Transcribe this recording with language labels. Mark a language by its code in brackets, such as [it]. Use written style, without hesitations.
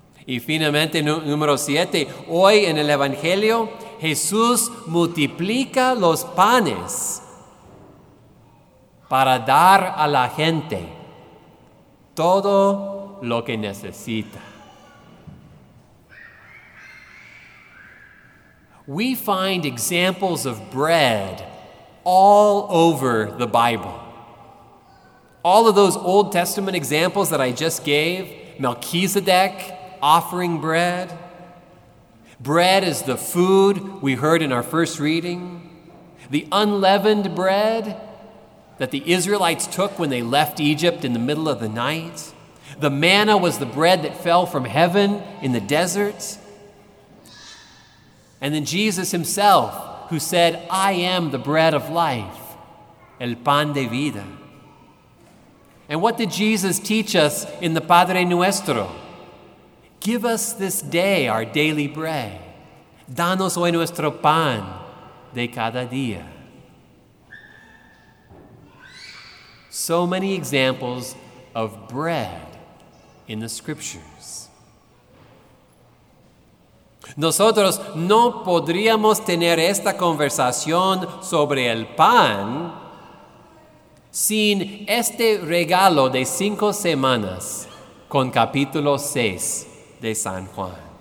[es] Y finalmente, número 7, hoy en el Evangelio, Jesús multiplica los panes para dar a la gente todo lo que necesita. [en] We find examples of bread all over the Bible. All of those Old Testament examples that I just gave, Melchizedek offering bread. Bread is the food we heard in our first reading. The unleavened bread that the Israelites took when they left Egypt in the middle of the night. The manna was the bread that fell from heaven in the desert. And then Jesus himself, who said, I am the bread of life, [es] el pan de vida. [en] And what did Jesus teach us in the Padre Nuestro? Give us this day our daily bread. [es] Danos hoy nuestro pan de cada día. [en] So many examples of bread in the scriptures. [es] Nosotros no podríamos tener esta conversación sobre el pan sin este regalo de 5 semanas con capítulo 6 de San Juan.